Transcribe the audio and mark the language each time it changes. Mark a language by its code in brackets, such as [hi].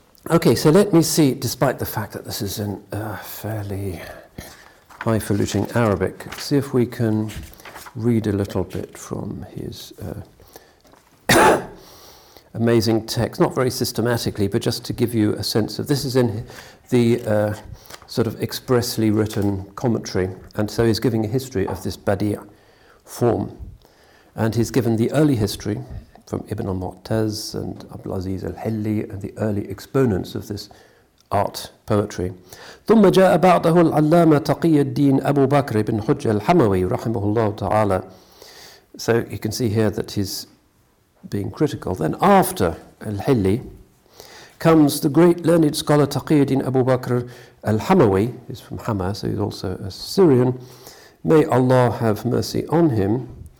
[en] Okay, so let me see, despite the fact that this is in fairly highfalutin Arabic, see if we can read a little bit from his amazing text, not very systematically, but just to give you a sense of this is in the sort of expressly written commentary, and so he's giving a history of this badi' form. And he's given the early history from Ibn al-Mu'taz and Abdul Aziz al-Hilli and the early exponents of this art poetry. [ar] ثم جاء بعده العلامة تقي الدين أبو بكر بن حجة الحموي رحمه الله تعالى. [en] So you can see here that he's being critical. Then after al-Hilli comes the great learned scholar Taqiyuddin Abu Bakr al-Hamawi, he's from Hama, so he's also a Syrian. May Allah have mercy on him.